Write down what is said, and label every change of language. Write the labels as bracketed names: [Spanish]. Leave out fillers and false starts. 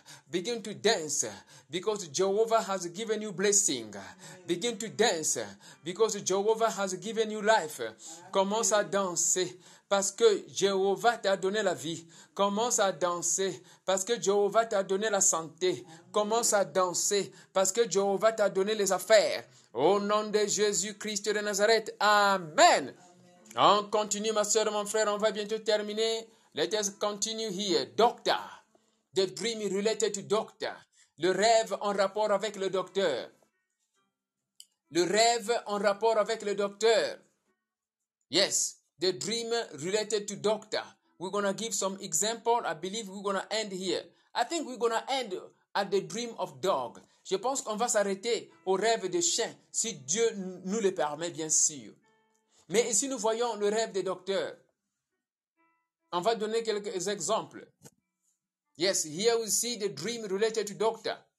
[English] Begin to dance, because Jehovah has given you blessing. Begin to dance, because Jehovah has given you life. [French] Commence à danser, parce que Jéhovah t'a donné la vie. Commence à danser, parce que Jéhovah t'a donné la santé. Commence à danser, parce que Jéhovah t'a donné les affaires. Au nom de Jésus-Christ de Nazareth, amen. On continue, ma soeur, mon frère, on va bientôt terminer. [English] Let us continue here. Doctor, the dream related to doctor. [French] Le rêve en rapport avec le docteur. Le rêve en rapport avec le docteur. Yes. [English] The dream related to doctor. We're going to give some example. I believe we're going to end here. I think we're going to end at the dream of dog. [French] Je pense qu'on va s'arrêter au rêve de chien, si Dieu nous le permet, bien sûr. Mais ici, nous voyons le rêve des docteurs. On va donner quelques exemples. [English] Yes, here we see the dream related to doctor.